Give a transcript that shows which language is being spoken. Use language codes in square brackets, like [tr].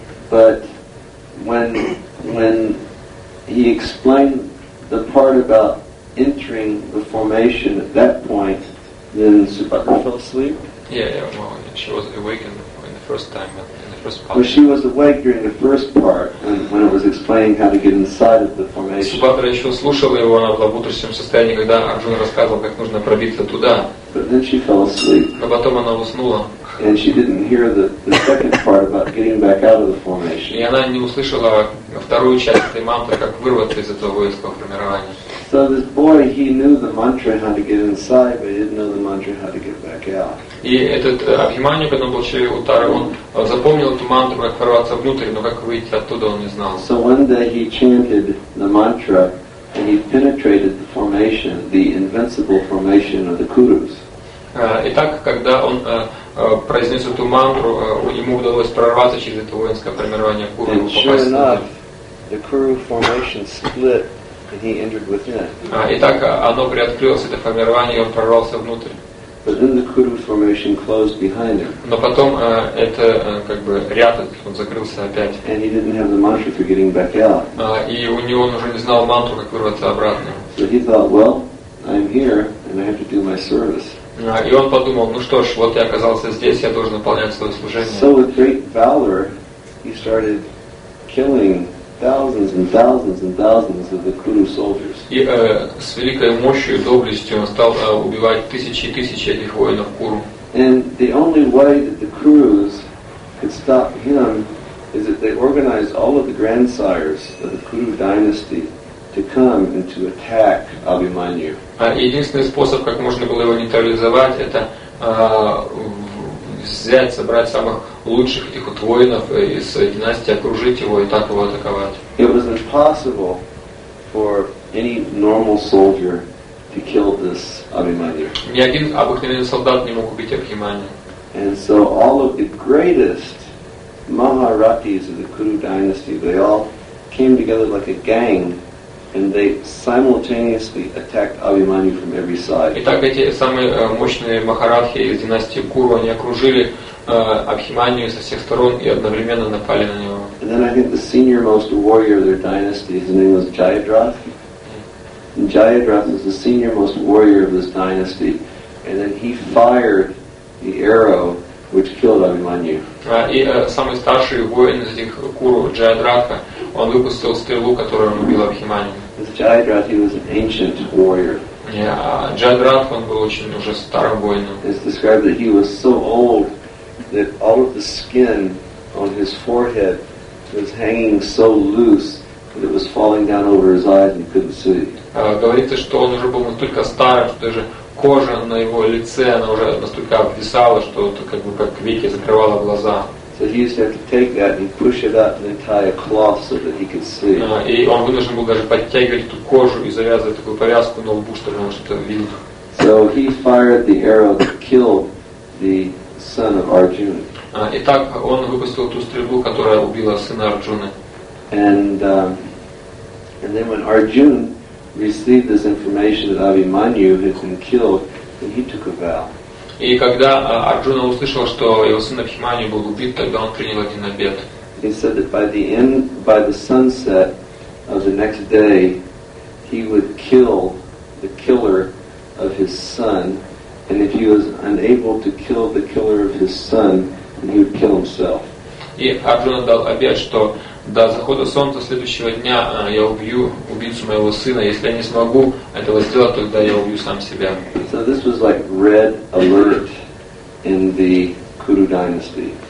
[en] But when he explained the part about entering the formation at that point, then Subhadra fell asleep. Well, she was awakened in the first time. Well, she was awake during the first part when it was explaining how to get inside of the formation. [ru] Субхадра еще слушала его, она была в утреннем состоянии, когда Арджуна рассказывал, как нужно пробиться туда. [en] But then she fell asleep. [ru] Но потом она уснула. [en] And she didn't hear the second part about getting back out of the formation. [ru] И она не услышала вторую часть этой мантры, как вырваться из этого воинского формирования. [en] So this boy, he knew the mantra how to get inside, but he didn't know the mantra how to get back out. [ru] И этот Абхиманю, когда он был Шри Уттара, он запомнил эту мантру, как ворваться внутрь, но как выйти оттуда, он не знал. [en] So one day he chanted the mantra and he penetrated the formation, the invincible formation of the Kurus. [ru] Итак, когда он произнес эту мантру, ему удалось прорваться через это воинское формирование Куру. [en] And sure enough, the Kuru formation split and he entered within. [ru] Итак, оно приоткрылось, это формирование, и он прорвался внутрь. [en] But then the Kuru formation closed behind him. [ru] Но потом это как бы ряд он закрылся опять. [en] And he didn't have the mantra for getting back out. [ru] И у него он уже не знал мантру, как вырваться обратно. [en] So he thought, well, I'm here and I have to do my service. [ru] И он подумал, ну что ж, вот я оказался здесь, я должен выполнять свое служение. [en] So with great valor, he started killing thousands and thousands and thousands of the Kuru soldiers. [ru] И с великой мощью, доблестью он стал убивать тысячи и тысячи этих воинов Куру. [en] And the only way that the Kurus could stop him is that they organized all of the grandsires of the Kuru dynasty to come and to attack Abhimanyu. [ru] Единственный способ, как можно было его нейтрализовать, это взять, собрать самых лучших этих вот воинов из династии, окружить его и так его атаковать. [en] It was impossible for any normal soldier to kill this Abhimanyu. [ru] Ни один обыкновенный солдат не мог убить Абхиманию. [en] And so all of the greatest Maharathis of the Kuru dynasty, they all came together like a gang. And they simultaneously attacked Abhimanyu from every side. [ru] Итак, эти самые мощные махарадхи из династии Куру, они окружили Абхиманию со всех сторон и одновременно напали на него. [en] And then I think the senior most warrior of their dynasty, his name was Jayadrath. And Jayadrath was the senior most warrior of this dynasty. And then he fired the arrow which killed Abhimanyu. [ru] И самый старший воин из этих Куру, Джаядратха, он выпустил стрелу, которую он убил Абхиманию. [en] Джаядратха, he was an ancient warrior. [ru] Джаядратха, он был очень уже старым воином. [en] It's described that he was so old that all of the skin on his forehead was hanging so loose that it was falling down over his eyes and he couldn't see. [ru] Говорится, что он уже был настолько старым, что даже кожа на его лице, она уже настолько обвисала, что это как бы как веки закрывало глаза. [en] So he used to have to take that and push it up and tie a cloth so that he could see. [ru] И он вынужден был даже подтягивать эту кожу и завязывать такую повязку на лбу, чтобы он что-то видел. [en] So he fired the arrow that killed the son of Arjuna. [ru] Итак, он выпустил ту стрелу, которая убила сына Арджуны. [en] And then when Arjuna received this information that Abhimanyu had been killed, then he took a vow. [ru] И когда Арджуна услышал, что его сын Абхиманю был убит, тогда он принял один обет. [en] He said that by the sunset of the next day, he would kill the killer of his son, and if he was unable to kill the killer of his son, then he would kill himself. [ru] И Арджуна дал обет, что до захода солнца следующего дня я убью убийцу моего сына. Если я не смогу этого сделать, тогда я убью сам себя. [en] So this was like red alert in the Kuru dynasty.